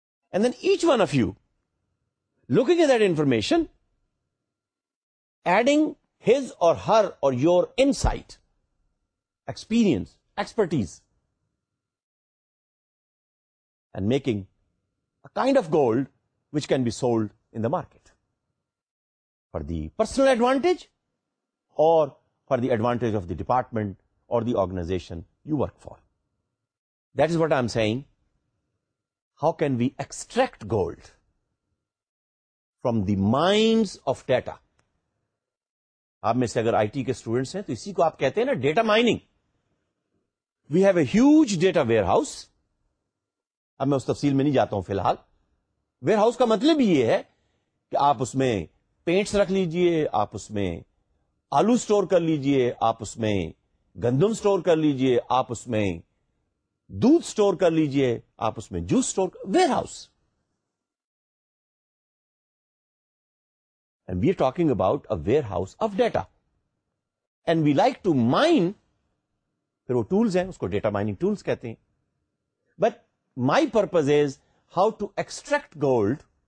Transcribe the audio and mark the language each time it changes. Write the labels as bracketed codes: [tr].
[en] And then each one of you, looking at that information, adding his or her or your insight, experience, expertise, and making a kind of gold which can be sold in the market for the personal advantage or for the advantage of the department or the organization you work for. That is what I'm saying. How can we extract gold from the mines of data? [ur] آپ میں سے اگر I T کے students ہیں تو اسی کو آپ کہتے ہیں نا data mining. [en] We have a huge data warehouse. [ur] اب میں اس تفصیل میں نہیں جاتا ہوں فی الحال. ویئر ہاؤس کا مطلب یہ ہے کہ آپ اس میں پینٹس رکھ لیجئے, آپ اس میں آلو اسٹور کر لیجئے, آپ اس میں گندم اسٹور کر لیجئے, آپ اس میں دودھ اسٹور کر لیجئے, آپ اس میں juice store. [en] Warehouse. And we are talking about a warehouse of data. And we like to mine. [ur] Phir wo tools hain, usko data mining tools kehte hain. [en] But my purpose is how to extract gold.